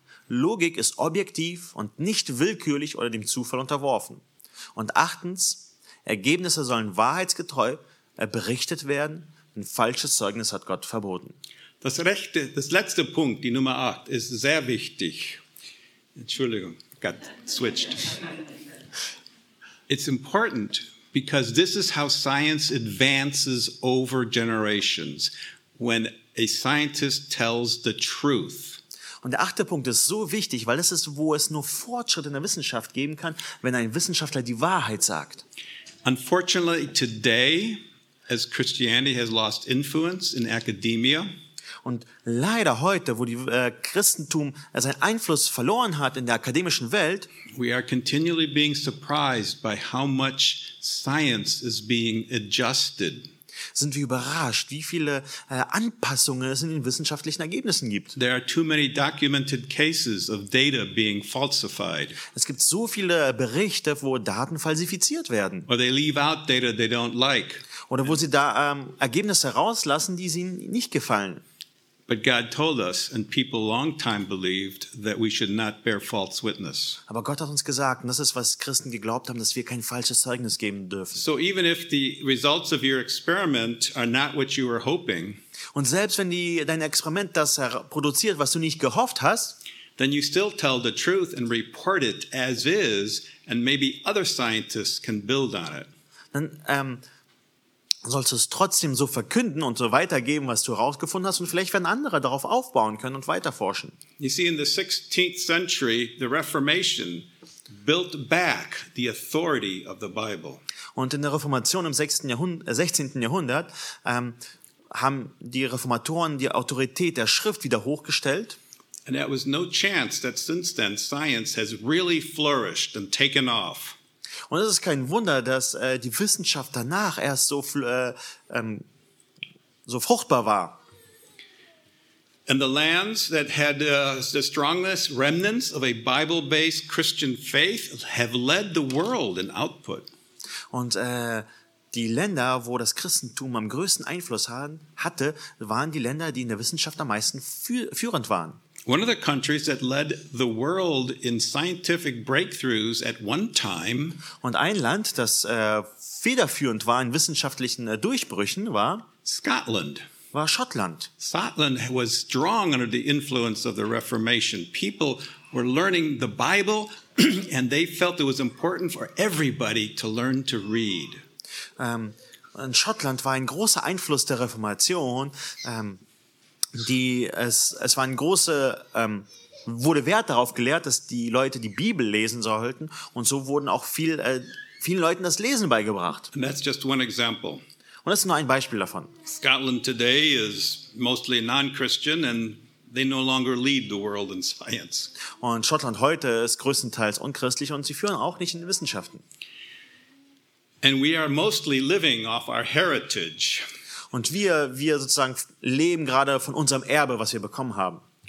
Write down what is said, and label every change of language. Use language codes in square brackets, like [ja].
[de] Logik ist objektiv und nicht willkürlich oder dem Zufall unterworfen. Und achtens, Ergebnisse sollen wahrheitsgetreu berichtet werden, ein falsches Zeugnis hat Gott verboten. Das letzte Punkt, die Nummer 8, ist sehr wichtig. Entschuldigung, [en] got switched. It's important because this is how science advances over generations, when a scientist tells the truth. [de] Und der 8. Punkt ist so wichtig, weil das ist, wo es nur Fortschritt in der Wissenschaft geben kann, wenn ein Wissenschaftler die Wahrheit sagt. [en] Unfortunately, today, as Christianity has lost influence in academia, [de] und leider heute, wo die Christentum seinen Einfluss verloren hat in der akademischen Welt, [en] we are continually being surprised by how much science is being adjusted. [de] Sind wir überrascht, wie viele Anpassungen es in den wissenschaftlichen Ergebnissen gibt. [en] There are too many documented cases of data being falsified. [de] Es gibt so viele Berichte, wo Daten falsifiziert werden. [en] Or they leave out data they don't like. [de] Oder wo sie da Ergebnisse rauslassen, die ihnen nicht gefallen. [en] But God told us, and people long time believed, that we should not bear false witness. [de] Aber Gott hat uns gesagt, und das ist, was Christen geglaubt haben, dass wir kein falsches Zeugnis geben dürfen. [en] So even if the results of your experiment are not what you were hoping, [de] und selbst wenn dein Experiment das produziert, was du nicht gehofft hast, [en] then you still tell the truth and report it as is, and maybe other scientists can build on it. [de] Dann sollst du es trotzdem so verkünden und so weitergeben, was du herausgefunden hast, und vielleicht werden andere darauf aufbauen können und weiterforschen. [en] You see, in the 16th century, the Reformation built back the authority of the Bible. [de] Und in der Reformation im 16. Jahrhundert haben die Reformatoren die Autorität der Schrift wieder hochgestellt. [en] And there was no chance that since then science has really flourished and taken off. [de] Und es ist kein Wunder, dass die Wissenschaft danach erst so so fruchtbar war. [en] And the lands that had the strongest remnants of a Bible-based Christian faith have led the world in output. [de] Und die Länder, wo das Christentum am größten Einfluss hatte, waren die Länder, die in der Wissenschaft am meisten führend waren. [en] One of the countries that led the world in scientific breakthroughs at one time. [de] Und ein Land, das federführend war in wissenschaftlichen Durchbrüchen, war [en] Scotland. [de] War Schottland. [en] Scotland was strong under the influence of the Reformation. People were learning the Bible and they felt it was important for everybody to learn to read. [de] In Schottland war ein großer Einfluss der Reformation, wurde Wert darauf gelehrt, dass die Leute die Bibel lesen sollten, und so wurden auch vielen Leuten das Lesen beigebracht. [en] And that's just one example. [de] Und das ist nur ein Beispiel davon. [en] Scotland today is mostly non-Christian and they no longer lead the world in science. [de] Und Schottland heute ist größtenteils unchristlich und sie führen auch nicht in Wissenschaften. [en] And we are mostly living off our heritage. [de] Und wir sozusagen leben gerade von unserem Erbe, was wir bekommen haben.